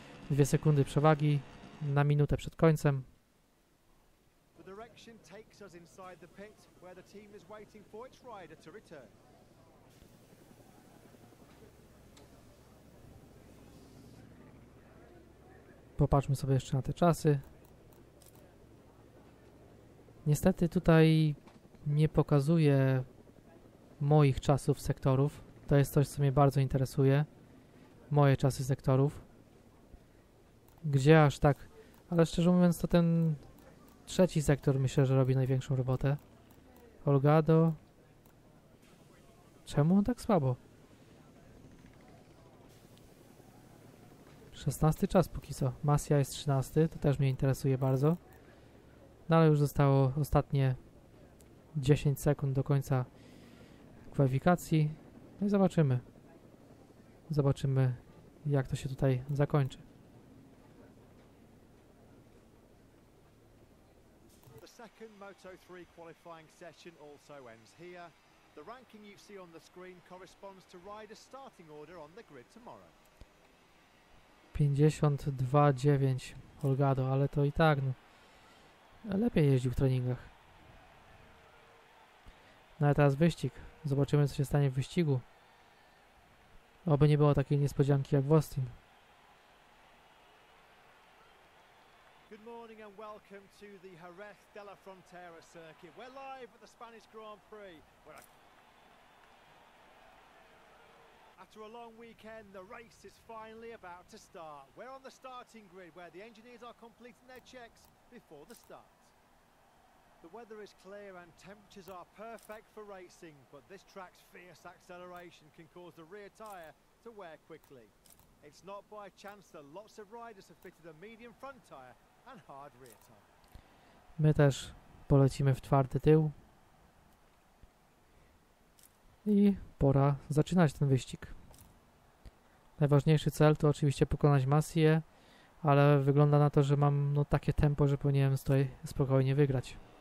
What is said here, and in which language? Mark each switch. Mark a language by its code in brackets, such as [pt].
[pl] Dwie sekundy przewagi na minutę przed końcem. [en] The direction takes us inside the pit where the team is waiting for its rider to return. [pl] Popatrzmy sobie jeszcze na te czasy. Niestety tutaj nie pokazuje moich czasów sektorów. To jest coś, co mnie bardzo interesuje. Moje czasy sektorów. Gdzie aż tak? Ale szczerze mówiąc, to ten trzeci sektor myślę, że robi największą robotę. Holgado. Czemu on tak słabo? 16 czas póki co. Masia jest 13. To też mnie interesuje bardzo. No ale już zostało ostatnie 10 sekund do końca kwalifikacji. No i zobaczymy. Zobaczymy, jak to się tutaj zakończy. [en] The second Moto 3 qualifying session also ends here. The ranking you see on the screen corresponds to rider starting order on the grid tomorrow. [pl] 52,9 Holgado, ale to i tak no, lepiej jeździł w treningach. No ale teraz wyścig. Zobaczymy, co się stanie w wyścigu. Oby nie było takiej niespodzianki jak w Austin. [en] Good morning and welcome to the Jerez de la Frontera circuit. We're live at the Spanish Grand Prix. After a long weekend, the race is finally about to start. We're on the starting grid where the engineers are completing their checks before the start. The weather is clear and temperatures are perfect for racing, but this track's fierce acceleration can cause the rear tire to wear quickly. It's not by chance that lots of riders have fitted a medium front tire and hard rear tire. [pl] My też polecimy w twardy tył. I pora zaczynać ten wyścig. Najważniejszy cel to oczywiście pokonać Masję, ale wygląda na to, że mam no takie tempo, że powinienem tutaj spokojnie wygrać.